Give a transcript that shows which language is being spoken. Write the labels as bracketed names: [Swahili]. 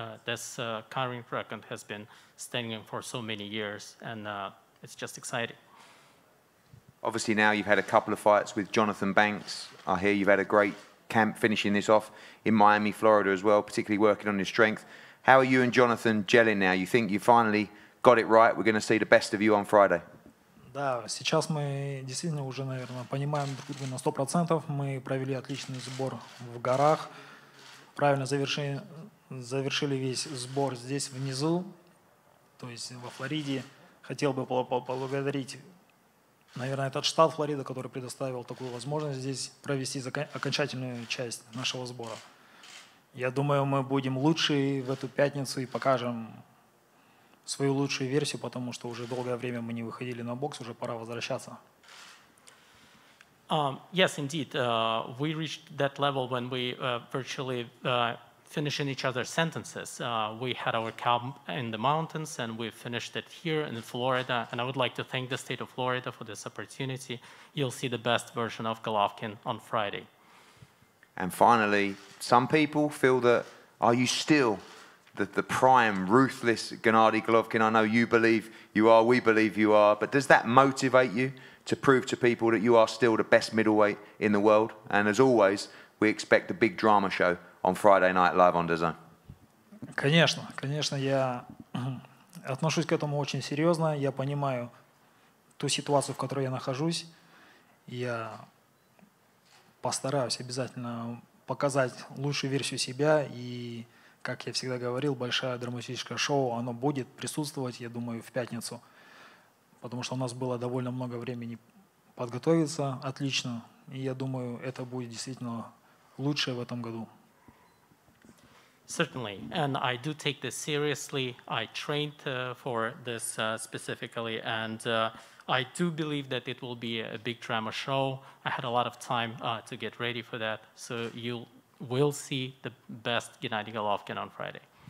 [English] This current record has been standing for so many years, and it's just exciting. Obviously, now you've had a couple of fights with Jonathan Banks. I hear you've had a great camp finishing this off in Miami, Florida as well, particularly working on your strength. How are you and Jonathan gelling now? You think you finally got it right? We're going to see the best of you on Friday. [Russian] Да, сейчас мы действительно уже, наверное, понимаем друг друга на 100%. Мы провели отличный сбор в горах. Правильно завершили весь сбор здесь внизу, то есть во Флориде. Хотел бы поблагодарить, наверное, этот штат Флорида, который предоставил такую возможность здесь провести окончательную часть нашего сбора. Я думаю, мы будем лучше в эту пятницу и покажем свою лучшую версию, потому что уже долгое время мы не выходили на бокс, уже пора возвращаться. [English] Yes, indeed. We reached that level when we virtually finished each other's sentences. We had our camp in the mountains and we finished it here in Florida. And I would like to thank the state of Florida for this opportunity. You'll see the best version of Golovkin on Friday. And finally, some people feel that, are you still the prime, ruthless Gennady Golovkin? I know you believe you are, we believe you are, but does that motivate you to prove to people that you are still the best middleweight in the world? And as always, we expect a big drama show on Friday night live on DAZN. [Russian] Конечно, конечно, я отношусь к этому очень серьезно. Я понимаю ту ситуацию, в которой я нахожусь. Я постараюсь обязательно показать лучшую версию себя. И, как я всегда говорил, большое драматическое шоу, оно будет присутствовать, я думаю, в пятницу. Потому что у нас было довольно много времени подготовиться отлично. И я думаю, это будет действительно лучшее в этом году. [English] Certainly, and I do take this seriously. I trained for this specifically, and I do believe that it will be a big drama show. I had a lot of time to get ready for that, so you will see the best Gennady Golovkin on Friday.